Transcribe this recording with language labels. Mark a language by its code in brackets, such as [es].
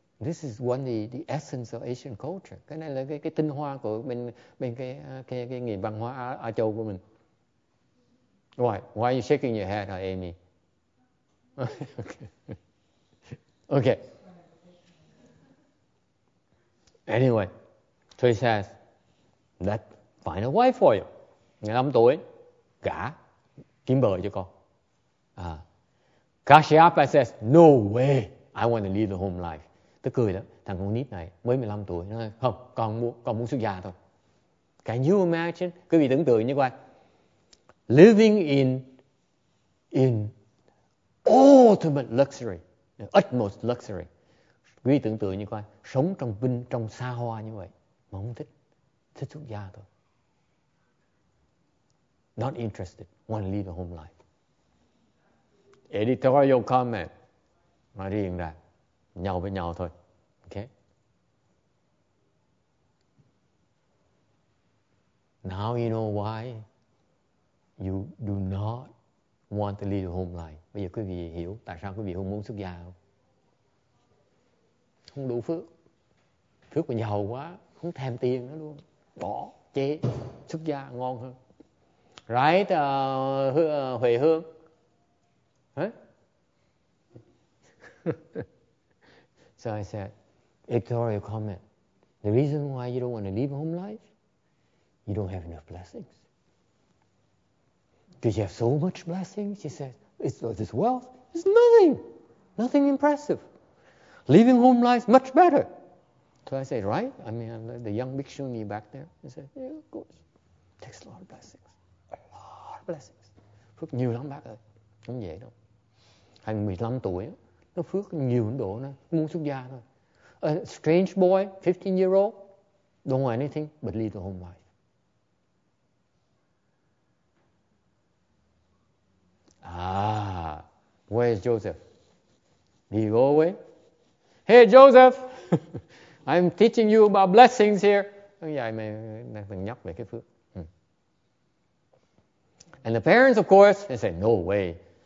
[en] This is one the essence of Asian culture. [vi] Cái này là cái tinh hoa của bên cái nền văn hóa Á Châu của mình. [en] Why are you shaking your head, huh, Amy? Okay. Anyway, so he says, let's find a wife for you. [vi] 15 tuổi. Gả, kiếm vợ cho con. [en] Kashyapa says, no way, I want to lead the home life. [vi] Tôi cười lắm, thằng con nít này, mới 15 tuổi, nói, không, con muốn xuất gia thôi. [en] Can you imagine? [vi] Quý vị tưởng tượng như vậy. [en] Living in ultimate luxury, utmost luxury. [vi] Quý vị tưởng tượng như vậy, sống trong vinh, trong xa hoa như vậy, mà không thích, thích xuất gia thôi. [en] Not interested, want to lead a home life. Editorial comment. [vi] Nói riêng ra, nhau với nhau thôi. [en] Okay. Now you know why you do not want to lead a home life. [vi] Bây giờ quý vị hiểu tại sao quý vị không muốn xuất gia không? Không đủ phước. Phước mà giàu quá, không thèm tiền nữa luôn. Bỏ, chê, xuất gia ngon hơn. Right, Huệ Hương. Huh? [en] So I said, editorial comment. The reason why you don't want to leave home life, you don't have enough blessings. Because you have so much blessings, she said, it's not this wealth. It's nothing. Nothing impressive. Leaving home life is much better. So I said, right? I mean, the young Bhikshu Ni back there, he said, yeah, of course. Takes a lot of blessings. Blessings. [vi] Phước nhiều lắm bác ơi, không dễ đâu. Hàng 15 tuổi, nó phước nhiều đến độ nó muốn xuất gia thôi. [en] A strange boy, 15-year-old, don't want anything but leave the home life. Ah, where is Joseph? Did he go away? Hey Joseph, I'm teaching you about blessings here. [vi] Ông dạy mày từng nhắc về cái phước. [en] And the parents, of course, they say, no way.